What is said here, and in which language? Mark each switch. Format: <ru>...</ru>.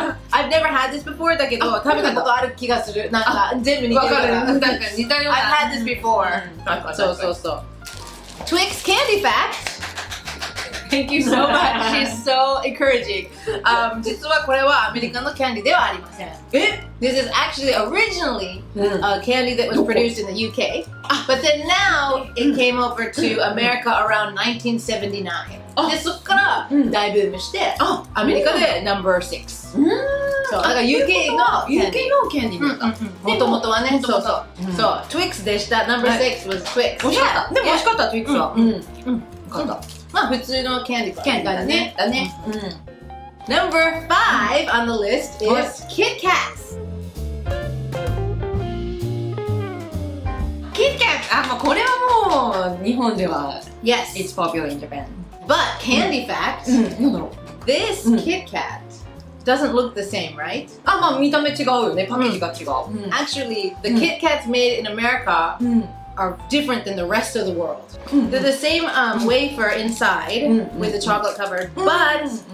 <en>I've never had this before</en> <ja>だけど、食べたことある気がする。なんか、全部似てるから。なんか似たような。</ja> <en>I've had this before。</en> <ja>そうそうそう。</ja> <en>Twix candy fact. Thank you so much. She's so encouraging.</en> <ja>実はこれはアメリカのキャンディではありません。え?</ja> <en>This is actually originally a candy that was produced in the UK. But then now it came over to America around 1979.</en> <ja>で、そっから大ブームして、アメリカで</ja> <en>number six.</en> <ja>そう、だから UK の UK のキャンディーもともとはね、そうそう。そう、Twix でした。</ja> <en>number six was Twix.</en> <ja>美味しかった。でも美味しかった、Twix は。うん。よかった。まあ普通のキャンディーだね。だね。うん。</ja> <en>Number five on the list is Kit Kats. Kit Kats!</en> <ja>あ、まあこれはもう日本では</ja> <en>Yes. It's popular in Japan. But candy fact.</en> <ja>うん、なんだろう。</ja> <en>This Kit Kat doesn't look the same, right?</en> <ja>あ、まあ見た目違うよね。パッケージが違う。</ja> <en>Actually, the Kit Kats made in America are different than the rest of the world. They're the same wafer inside with the chocolate cover, but...</en>